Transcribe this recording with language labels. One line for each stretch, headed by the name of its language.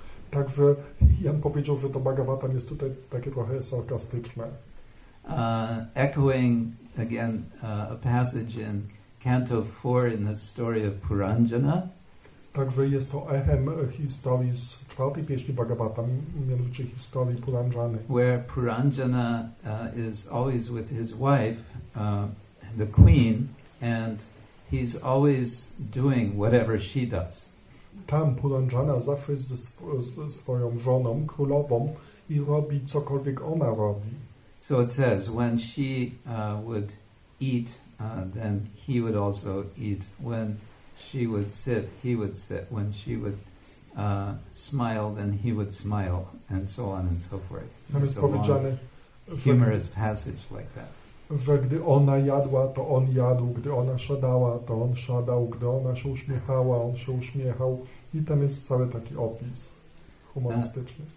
Polish: Także Jan powiedział, że to Bhagavatam jest tutaj takie trochę sarkastyczne.
English: Echoing again a passage in Canto 4 in the story of Puranjana.
Polish: Także jest to echem historii z czwartej pieśni Bhagavatam, mianowicie historii Puranjany.
English: Where Puranjana is always with his wife, the queen, and he's always doing whatever she does.
Polish: Tam Pulanjana zawsze jest ze swoją żoną, królową, i robi cokolwiek ona robi.
English: So it says, when she would eat, then he would also eat. When she would sit, he would sit. When she would smile, then he would smile, and so on and so forth. It's a long, humorous passage like that.
Polish: Że gdy ona jadła, to on jadł, gdy ona siadała, to on siadał, gdy ona się uśmiechała, on się uśmiechał. I tam jest cały taki opis humorystyczny.